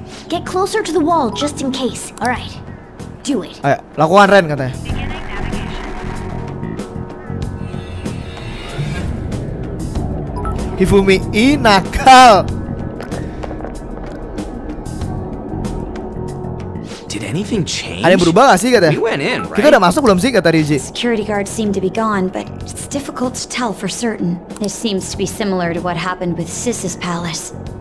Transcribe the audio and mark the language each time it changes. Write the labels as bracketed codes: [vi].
[en] Get closer to the wall just in case. All right. Do it. [id] Ayo, lakukan Ren katanya. Hifumi nakal. [en] Anything change? [id] Ada yang berubah gak sih katanya? [en] We in, right? [id] Kita udah masuk belum sih kata Riji? [en] Security guards seem to be gone, but it's difficult to tell for certain. This seems to be similar to what happened with Sis's palace.